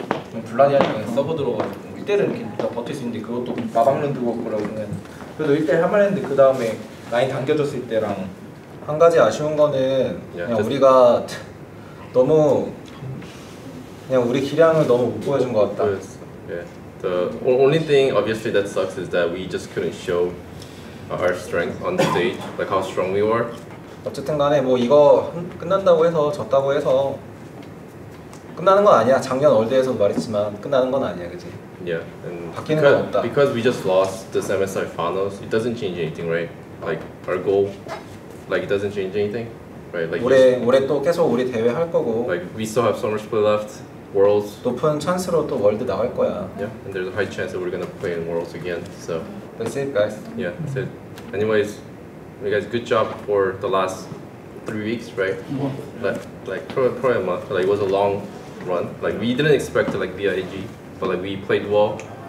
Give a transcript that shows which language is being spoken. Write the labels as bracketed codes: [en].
[ko] 그럼 블라디아니까 서버 들어가서 1대를 이렇게 일단 버틸 수 있는데 그것도 마박는 그거 그러면은 그래도 1대 할 만했는데 그 다음에 라인 당겨졌을 때랑 한 가지 아쉬운 거는 그냥 우리가 너무 그냥 우리 기량을 너무 못 보여준 것 같다. [en] The only thing obviously that sucks is that we just couldn't show our strength on the stage, like how strong we were. [ko] 어쨌든 간에 뭐 이거 끝난다고 해서 졌다고 해서 끝나는 건 아니야. 작년 올드에서 말했지만 끝나는 건 아니야, 그지? [en] Yeah, and [ko] 바뀌는 건 없다. [en] Because we just lost the MSI finals, it doesn't change anything, right? Like our goal, like it doesn't change anything, right? Like [ko] 올해 또 계속 우리 대회 할 거고. [en] Like we still have so much play left. Worlds. [ko] 높은 찬스로 또 월드 나갈 거야. [en] Yeah, and there's a high chance that we're gonna play in Worlds again. So. That's it, guys. Yeah, that's it. Anyways, you guys, good job for the last 3 weeks, right? Like probably a month. Like it was a long run. Like we didn't expect to like be IG, but like we played well.